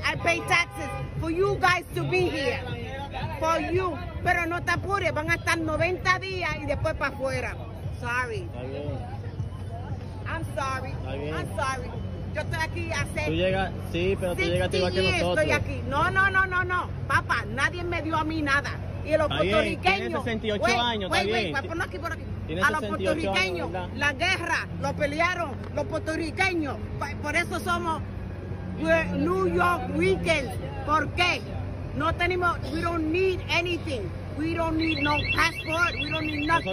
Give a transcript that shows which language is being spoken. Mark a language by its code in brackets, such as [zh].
[en] I pay taxes for you guys to be here. For you. [es] Pero no te apures. Van a estar 90 días y después para afuera. [en] Sorry. I'm sorry. [es] Yo estoy aquí hace... Tú llegas, sí, pero tú llegaste igual que nosotros. Estoy aquí. No. Papa, nadie me dio a mí nada. Y los puertorriqueños, tiene 68 años, a los puertorriqueños, años, la guerra, lo pelearon los puertorriqueños, por eso somos New York Weekend, ¿por qué? No tenemos, [en] we don't need anything, we don't need no passport, we don't need nothing.